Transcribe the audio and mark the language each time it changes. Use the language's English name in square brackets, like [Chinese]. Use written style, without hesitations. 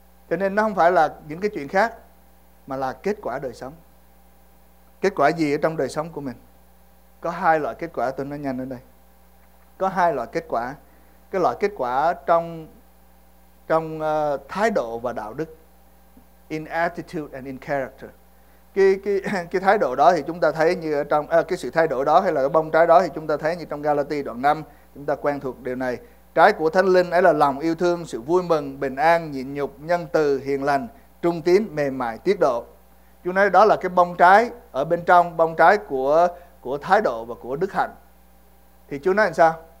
[Vietnamese] Cho nên nó không phải là những cái chuyện khác, mà là kết quả đời sống. Kết quả gì ở trong đời sống của mình? Có hai loại kết quả, tôi nói nhanh ở đây. Có hai loại kết quả. Cái loại kết quả trong thái độ và đạo đức. [English] In attitude and in character. [Vietnamese] Cái thái độ đó thì chúng ta thấy như trong cái sự thay đổi đó, hay là cái bông trái đó thì chúng ta thấy như trong Galati đoạn 5. Chúng ta quen thuộc điều này. Trái của Thánh Linh ấy là lòng yêu thương, sự vui mừng, bình an, nhịn nhục, nhân từ, hiền lành, trung tín, mềm mại, tiết độ. Chúng nói đó là cái bông trái ở bên trong, bông trái của thái độ và của đức hạnh. Thì Chúa nói làm sao?